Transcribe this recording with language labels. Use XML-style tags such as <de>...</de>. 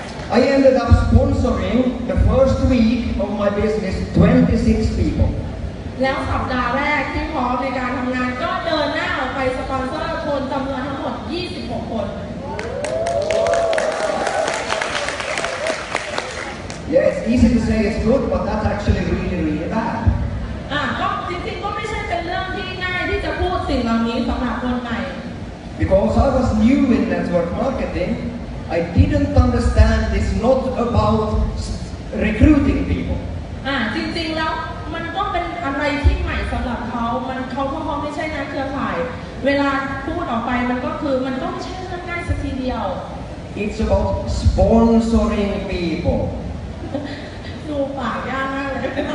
<en>I ended up sponsoring the first week of my business 26 people.</en> <th>แล้วสัปดาห์แรกที่พร้อมในการทำงานก็เดินหน้าไปสปอนเซอร์คนจำนวนทั้งหมด26คน</th> <en>Yeah, it's easy to say it's good, but that's actually really, really bad.</en> <th>ก็จริงๆก็ไม่ใช่เป็นเรื่องที่ง่ายที่จะพูดสิ่งเหล่านี้สำหรับคนใหม่</th> <en>Because I was new in network marketingI didn't understand it's not about recruiting people.</en> <th>จริงๆแล้วมันก็เป็นอะไรที่ใหม่สําหรับเขามันเขาไม่ใช่นักเครือข่ายเวลาพูดออกไปมันก็ไม่ใช่เรื่องง่ายสักทีเดียว</th> <en>It's about sponsoring people.</en> <th>ดูปากยากมากเลย</th>